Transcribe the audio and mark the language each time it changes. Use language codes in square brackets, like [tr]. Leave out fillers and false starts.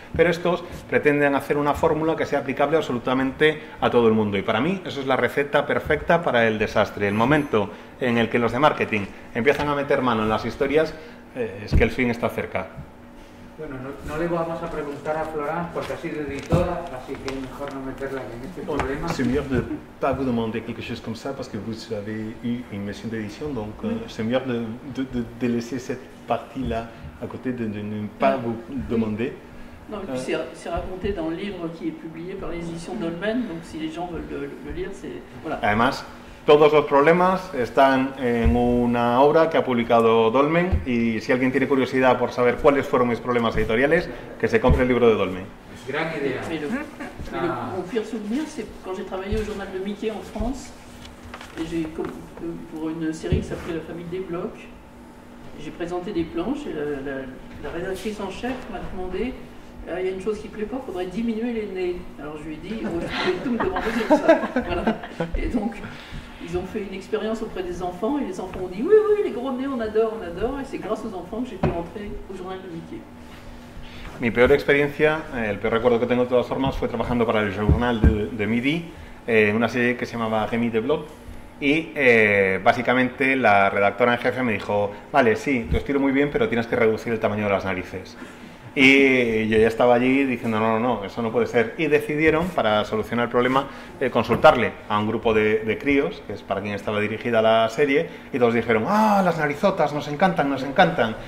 [es] Pero estos pretenden hacer una fórmula que sea aplicable absolutamente a todo el mundo. Y para mí eso es la receta perfecta para el desastre. El momento en el que los de marketing empiezan a meter mano en las historias, es que el fin está cerca. Bueno, no le vamos a preguntar a Florence porque ha sido editora, así que mejor no meterla en este problema. [fr] C'est mieux de pas vous demander quelque chose comme ça parce que vous avez eu une mission d'édition, donc c'est mieux de laisser cette partie-là à côté, de ne pas vous demander. Non, et puis c'est raconté dans le livre qui est publié par l'édition Dolmen, donc si les gens veulent le lire, c'est voilà. [es] Además, todos los problemas están en una obra que ha publicado Dolmen, y si alguien tiene curiosidad por saber cuáles fueron mis problemas editoriales, que se compre el libro de Dolmen. Gran idea. Pero [fr] mon pire souvenir, c'est quand j'ai travaillé au journal de Mickey en France, et j'ai, pour une série qui s'appelait La famille des blocs, j'ai présenté des planches, et la rédactrice en chef m'a demandé: il y a une chose qui ne plaît pas, il faudrait diminuer les nez. Alors je lui ai dit: oh, vous pouvez tout me demander comme ça. Voilà. Et donc, ils ont fait une expérience auprès des enfants, et les enfants ont dit: oui, oui, les gros nez, on adore. Et c'est grâce aux enfants que j'ai pu rentrer au journal de Mickey. [es] Mi peor experiencia, el peor recuerdo que tengo de todas formas, fue trabajando para el journal de Midi, en una serie que se llamaba Rémi de Blog. Y básicamente la redactora en jefe me dijo: vale, sí, tu estilo muy bien, pero tienes que reducir el tamaño de las narices. Y yo ya estaba allí diciendo, no, no, no, eso no puede ser. Y decidieron, para solucionar el problema, consultarle a un grupo de críos, que es para quien estaba dirigida la serie, y todos dijeron, ¡ah, las narizotas, nos encantan, nos encantan!